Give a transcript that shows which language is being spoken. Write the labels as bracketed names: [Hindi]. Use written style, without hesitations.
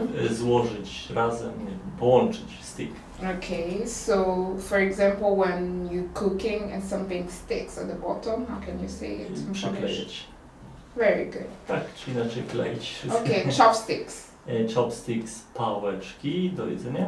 [Polish] Złożyć razem, połączyć stick. [English] Okay, so for example, when you're cooking and something sticks at the bottom, how can you say it? [Polish] Przykleić. [English] Very good. [Polish] Tak, czy inaczej kleić. [English] Okay, chopsticks. [Polish] Chopsticks, pałeczki do jedzenia.